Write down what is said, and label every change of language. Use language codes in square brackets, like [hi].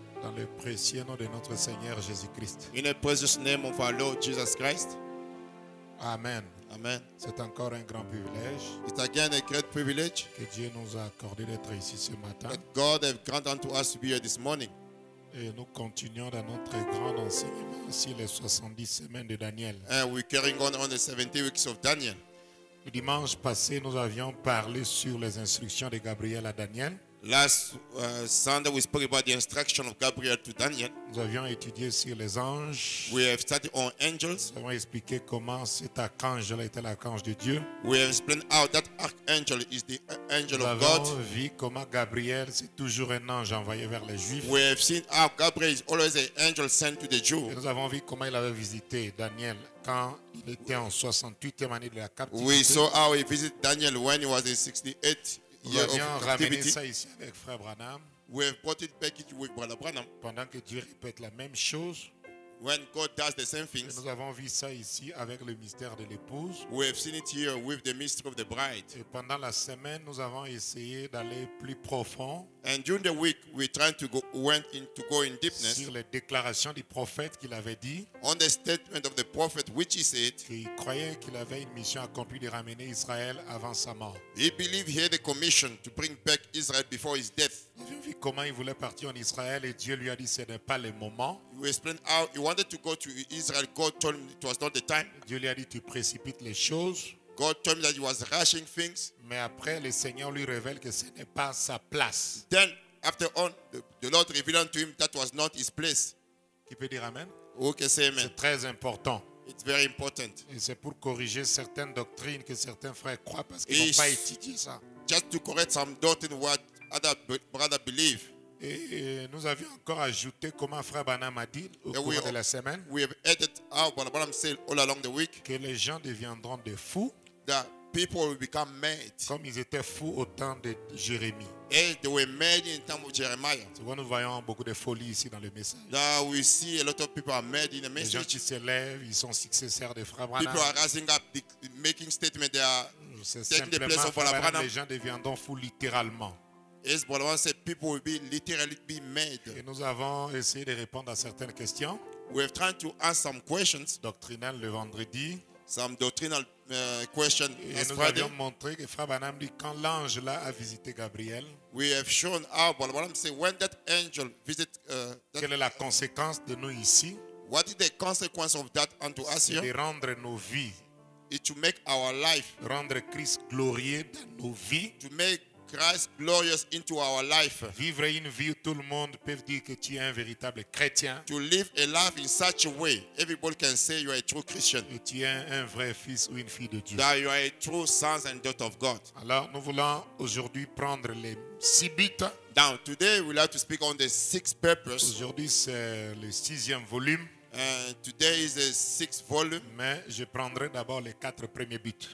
[fr] Dans le précieux nom de notre Seigneur Jésus-Christ. [en] In the precious name of our Lord Jesus Christ. Amen. Amen. [fr] C'est encore un grand privilège. [en] It's again a great privilege [fr] que Dieu nous a accordé d'être ici ce matin. [en] That God has granted unto us to be here this morning. [fr] Et nous continuons dans notre grand enseignement sur les 70 semaines de Daniel. [en] And we're carrying on the 70 weeks of Daniel. [fr] Le dimanche passé, nous avions parlé sur les instructions de Gabriel à Daniel. [en] Last Sunday, we spoke about the instruction of Gabriel to Daniel. [fr] Nous avions étudié sur les anges. [en] We have studied on angels. [fr] Nous avons expliqué comment cet archange était l'archange de Dieu. [en] We have explained how that archangel is the angel [fr] nous [en] of God. [fr] Nous avons vu comment Gabriel c'est toujours un ange envoyé vers les Juifs. [en] We have seen how Gabriel is always an angel sent to the Jews. [fr] Et nous avons vu comment il avait visité Daniel quand il était en 68e année de la captivité. [en] We saw how he visited Daniel when he was in 68. [fr] Nous avions ramené ça ici avec Frère Branham. [en] We have brought it back with Brother Branham. [fr] Pendant que Dieu répète la même chose. [en] When God does the same things. [fr] Et nous avons vu ça ici avec le mystère de l'épouse. [en] We have seen it here with the mystery of the bride. [fr] Et pendant la semaine, nous avons essayé d'aller plus profond. [en] And during the week, we tried to go went in to go in deepness. [fr] Sur les déclarations du prophète qu'il avait dit. [en] On the statement of the prophet which he said. [fr] Qu'il croyait qu'il avait une mission accomplie de ramener Israël avant sa mort. [en] He believed he had a commission to bring back Israel before his death. [fr] Nous avons vu comment il voulait partir en Israël et Dieu lui a dit ce n'est pas le moment. [en] We explained how he wanted to go to Israel. God told him it was not the time. [fr] Dieu lui a dit tu précipites les choses. [en] God told him that he was rushing things. [fr] Mais après le Seigneur lui révèle que ce n'est pas sa place. [en] Then after on the Lord revealed unto him that was not his place. [fr] Qui peut dire amen? [en] Who can say amen? [fr] C'est très important. [en] It's very important. [fr] Et c'est pour corriger certaines doctrines que certains frères croient parce qu'ils n'ont pas étudié ça. [en] Just to correct some doctrine what other brother believe. [fr] Et nous avions encore ajouté comment Frère Branham a dit au cours de la semaine. [en] We have added how Brother Branham said all along the week. [fr] Que les gens deviendront des fous. [en] That people will become mad. [fr] Comme ils étaient fous au temps de Jérémie. [en] And they were mad in the time of Jeremiah. [fr] C'est quoi nous voyons beaucoup de folie ici dans le message. [en] That we see a lot of people are mad in the message. [fr] Les gens qui s'élèvent, ils sont successeurs de Frère Branham. [en] People are rising up, making statement they are [fr] c'est [en] taking the place of Frère Branham. Branham. [fr] Les gens deviendront fous littéralement. [en] Yes, but I want to say people will be literally be made. [fr] Et nous avons essayé de répondre à certaines questions. [en] We have tried to ask some questions. [fr] Doctrinal le vendredi. [en] Some doctrinal questions. [fr] Et nous avions montré que Frère Branham dit quand l'ange là a visité Gabriel. [en] We have shown how, but what I'm saying, when that angel visited. [fr] Quelle est la conséquence de nous ici? [en] What is the consequence of that unto us here? [fr] De rendre nos vies. [en] It to make our life. [fr] Rendre Christ glorieux dans nos vies. [en] To make Christ glorious into our life. [fr] Vivre une vie où tout le monde peut dire que tu es un véritable chrétien. [en] To live a life in such a way everybody can say you are a true Christian. [fr] Et tu es un vrai fils ou une fille de Dieu. [en] That you are a true son and daughter of God. [fr] Alors nous voulons aujourd'hui prendre les 6 buts. [en] Now today we'd like to speak on the 6 purpose. [fr] Aujourd'hui c'est le 6e volume. [en] Today is the 6th volume. [fr] Mais je prendrai d'abord les 4 premiers buts.